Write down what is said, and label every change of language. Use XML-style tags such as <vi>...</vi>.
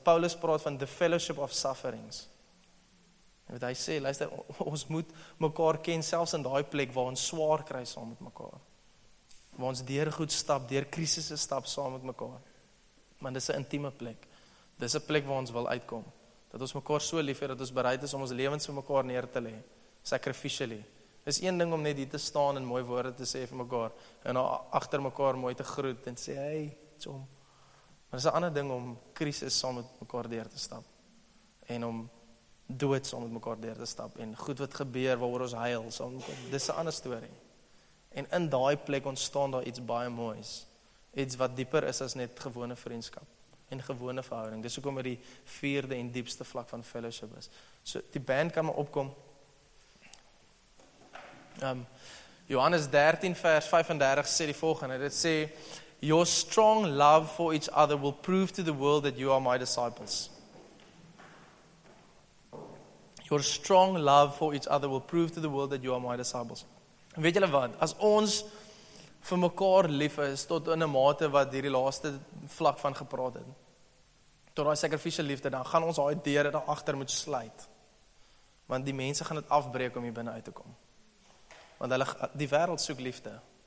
<af>Paulus praat van</af> <en>the fellowship of sufferings.</en> <af>En wat hy sê, luister, ons moet mekaar ken selfs in daai plek waar ons swaar kry saam met mekaar. Waar ons deur goed stap, deur krisisse stap saam met mekaar. Want dis 'n intieme plek. Dis 'n plek waar ons wil uitkom. Dat ons mekaar so lief het, dat ons bereid is om ons lewens vir mekaar neer te lê. Sacrificially. Is een ding om net hier te staan en mooi woorde te sê vir mekaar. En agter mekaar mooi te groet en sê, hey, tjom. Maar is 'n ander ding om krisis saam met mekaar deur te stap. En om dood saam met mekaar deur te stap. En goed wat gebeur, waaroor ons huil. Dis 'n ander story. En in daai plek ontstaan daar iets baie moois. Iets wat dieper is as net gewone vriendskap. En gewone verhouding. Dis hoekom dit die vierde en diepste vlak van fellowship is. So die band kan maar opkom. Johannes 13 vers 35 sê die volgende. Dit sê,</af> <en>your strong love for each other will prove to the world that you are my disciples. Your strong love for each other will prove to the world that you are my disciples.</en> <af>En weet julle wat? As ons vir mekaar lief is, tot in 'n mate wat hierdie laaste vlak van gepraat het, tot daai sacrificial liefde, dan gaan ons daai deure daar agter moet sluit. Want die mense gaan dit afbreek om hier binne uit te kom. Want hulle, die wêreld soek liefde.</af>